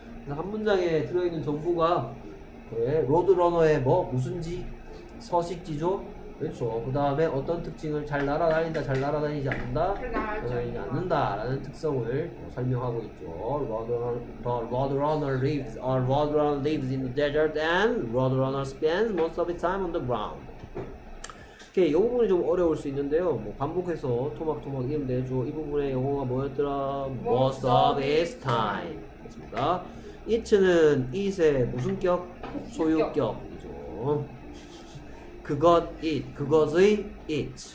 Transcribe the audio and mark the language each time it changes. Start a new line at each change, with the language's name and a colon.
Korean: 한 문장에 들어있는 정보가 로드러너의 뭐? 무슨지? 서식지죠? 그렇죠. 그 다음에 어떤 특징을 잘 날아다닌다, 잘 날아다니지 않는다? 잘 날아다니지 않는다. 라는 특성을 설명하고 있죠.
English: Roadrunner lives, or Roadrunner lives in the desert and Roadrunner spends most of his time on the ground.
Korean: 오케이. 이 부분이 좀 어려울 수 있는데요. 뭐 반복해서 토막토막 이름 내줘. 이 부분의 영어가 뭐였더라?
English: Most of his time.
Korean: 됐습니다. It는 it의 무슨 격? 소유격이죠. 그것, it. 그것의 it.